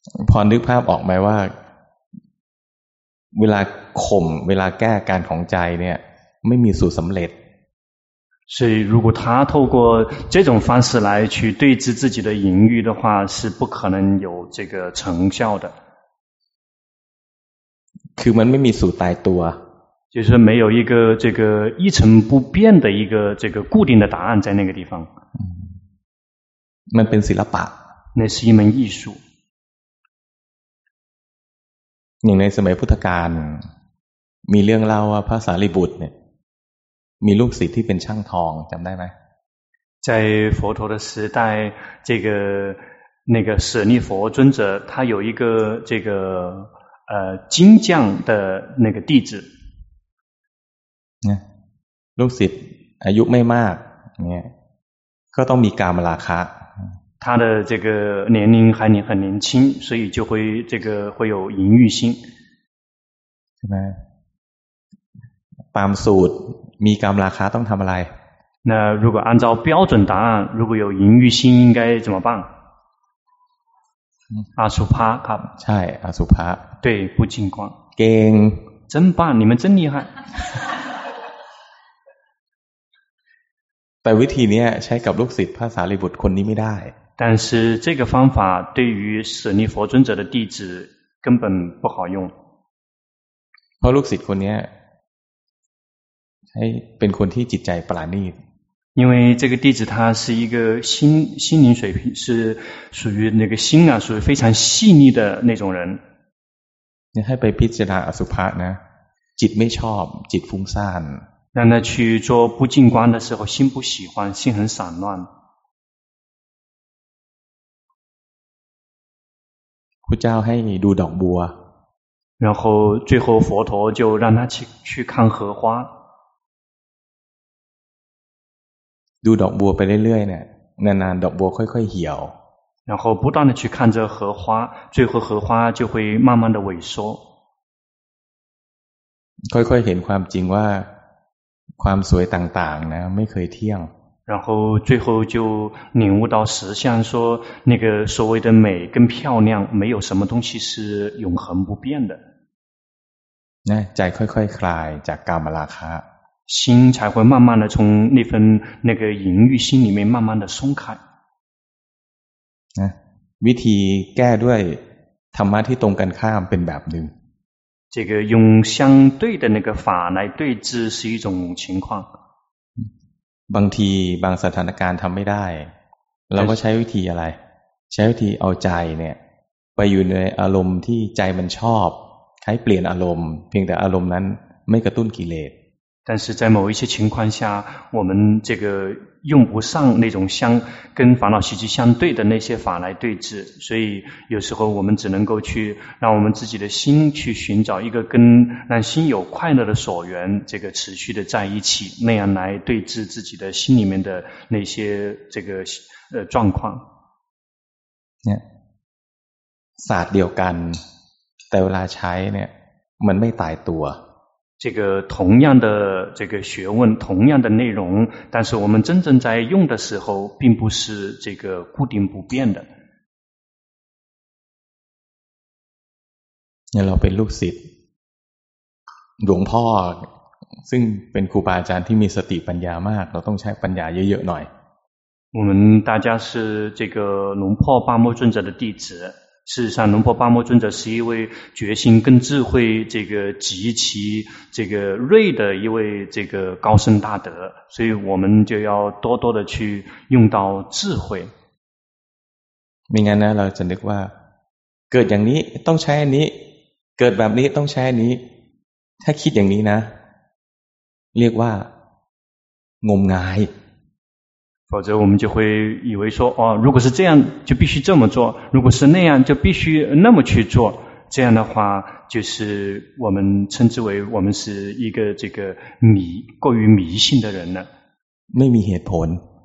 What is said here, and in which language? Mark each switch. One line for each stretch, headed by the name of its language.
Thai: พอนึกภาพออกไหมว่าเวลาข่มเวลาแก้การของใจเนี่ยไม่มีสูตรสำเร็จ
Chinese: 所以如果他透过这种方式来去对治自己的淫欲的话是不可能有这个成效的
Thai: คือมันไม่มีสูตรตายตัว
Chinese: 就是没有一个这个一成不变的一个这个固定的答案在那个地方
Thai: มันเป็นศิลปะ
Chinese: 那是一门艺术
Thai: อย่างในสมัยพุทธกาลมีเรื่องเล่าว่าพระสารีบุตรเนี่ยมีลูกศิษย์ที่เป็นช่างทองจำได้ไหมใ
Chinese: น佛陀的时代这个那个舍利佛尊者他有一个这个金匠的那个弟子
Thai: ลูกศิษย์อายุไม่มากเนี่ยก็ต้องมีกามราคะ
Chinese: 他的这个年龄还很年轻，所以就会这个会有淫欲心。是吗？
Thai: ตามสูตรมีกามราคะต้องทำอะไร？
Chinese: 那如果按照标准答案，如果有淫欲心，应该怎么办？
Thai: 阿苏帕ครับ。 ใช่阿苏帕。
Chinese: 对，不净观。
Thai: เก่ง。
Chinese: 真棒，你们真厉害。
Thai: แต่วิธีนี้ใช้กับลูกศิษย์พระสารีบุตรคนนี้ไม่ได้。
Chinese: 但是这个方法对于舍利弗尊者的弟子根本不好用。
Thai: เพราะลูกศิษย์คนนี้ให้เป็นคนที่จิตใจปราณีต
Chinese: 因为这个弟子他是一个心灵水平是属于那个心啊属于非常细腻的那种人。你
Thai: ให้ไปพิจารณาอสุภะนะจิตไม่ชอบจิตฟุ้งซ่าน
Chinese: 让他去做不净观的时候心不喜欢心很散乱。
Thai: พระเจ้าให้ดูดอกบัว
Chinese: 然后最后佛陀就让他去看荷花。
Thai: ดูดอกบัวไปเรื่อยๆเนี่ยนานๆดอกบัวค่อยๆเหี่ยว
Chinese: 然后不断的去看着荷花最后荷花就会慢慢的萎缩
Thai: ค่อยๆเห็นความจริงว่าความสวยต่างๆนะไม่เคยเที่ยง
Chinese: 然后最后就领悟到实相说那个所谓的美跟漂亮没有什么东西是永恒不变的
Thai: นะใจค่อยๆคลายจากกามราคะ
Chinese: 心才会慢慢的从那份那个淫欲心里面慢慢的松开
Thai: นะวิธีแก้ด้วยธรรมะที่ตรงกันข้ามเป็นแบบหนึ่ง
Chinese: 这个用相对的那个法来对治是一种情况
Thai: บางทีบางสถานการณ์ทำไม่ได้เราก็ใช้วิธีอะไรใช้วิธีเอาใจเนี่ยไปอยู่ในอารมณ์ที่ใจมันชอบใช้เปลี่ยนอารมณ์เพียงแต่อารมณ์นั้นไม่กระตุ้นกิเลส
Chinese: 但是在某一些情况下我们这个用不上那种相跟烦恼习气相对的那些法来对治所以有时候我们只能够去让我们自己的心去寻找一个跟让心有快乐的所缘这个持续的在一起那样来对治自己的心里面的那些这个状况
Thai: ศาสตร์เดียวกันแต่เวลาใช้เนี่ยมันไม่ตายตัว
Chinese: 这个同样的这个学问同样的内容但是我们真正在用的时候并不是这个固定不变的
Thai: เราเป็นลูกศิษย์หลวงพ่อซึ่งเป็นครูบาอาจารย์ที่มีสติปัญญามากเราต้องใช้ปัญญาเยอะๆหน่อย
Chinese: 我们大家是这个龙破巴摩尊者的弟子事实上龙婆巴摩尊者是一位决心跟智慧这个极其这个锐的一位这个高僧大德所以我们就要多多的去用到智慧
Thai: ไม่งั้นนะเราจะนึกว่าเกิดอย่างนี้ต้องใช้อันนี้เกิดแบบนี้ต้องใช้อันนี้ถ้าคิดอย่างนี้นะเรียกว่างมงาย
Chinese: 否则我们就会以为说哦如果是这样就必须这么做如果是那样就必须那么去做这样的话就是我们称之为我们是一个这个过于迷信的人了没有
Thai: เหตุผล